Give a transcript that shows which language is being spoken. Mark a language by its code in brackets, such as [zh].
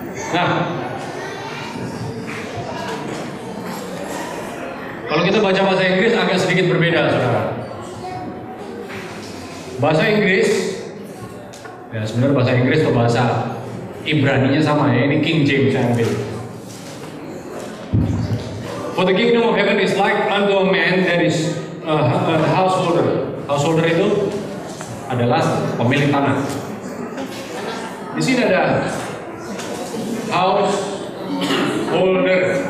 [id] Nah, kalau kita baca bahasa Inggris agak sedikit berbeda, saudara. Bahasa Inggris, ya sebenarnya bahasa Inggris atau bahasa Ibrani-nya sama ya. Ini King James yang ambil. [en] For the kingdom of heaven is like unto a man that is a householder. [id] Householder itu adalah pemilik tanah. Di sini ada householder.